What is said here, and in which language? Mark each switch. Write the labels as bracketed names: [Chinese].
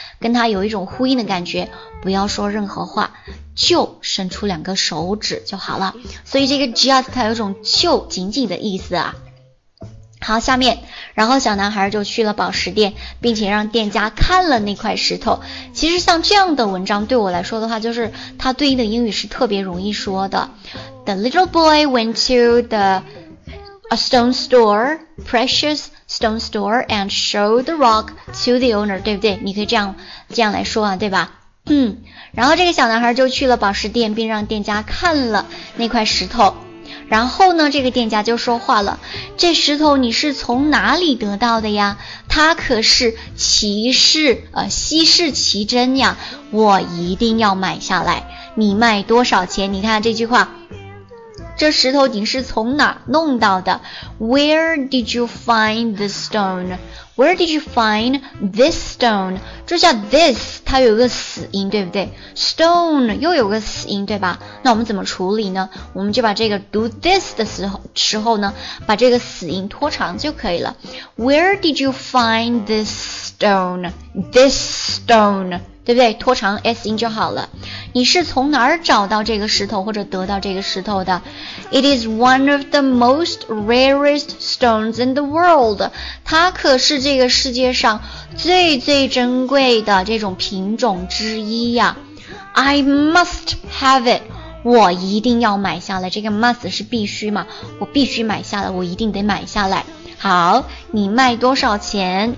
[Chinese] 跟它有一种呼应的感觉，不要说任何话，就伸出两个手指就好了。所以这个 just 它有一种就仅仅的意思啊。好，下面，然后小男孩就去了宝石店，并且让店家看了那块石头。其实像这样的文章对我来说的话，就是它对应的英语是特别容易说的。 [English] The little boy went to the a stone store, precious stone store, and showed the rock to the owner, [Chinese] 对不对？你可以这样来说啊，对吧？然后这个小男孩就去了宝石店，并让店家看了那块石头。然后呢，这个店家就说话了，这石头你是从哪里得到的呀？它可是稀世奇珍呀，我一定要买下来，你卖多少钱？你看这句话，这石头你是从哪弄到的？ [English] Where did you find this stone? Where did you find this stone? [Chinese] 这叫 this， 它有个死音，对不对？Stone 又有个死音，对吧？那我们怎么处理呢？我们就把这个读 this 的时候呢，把这个死音拖长就可以了。 [English] Where did you find this stone? This stone. [Chinese] 对不对？拖长 S 音就好了。你是从哪儿找到这个石头或者得到这个石头的？ [English] It is one of the most rarest stones in the world. [Chinese] 它可是这个世界上最最珍贵的这种品种之一呀。 [English] I must have it. [Chinese] 我一定要买下来。这个 must 是必须嘛？我必须买下来，我一定得买下来。好，你卖多少钱？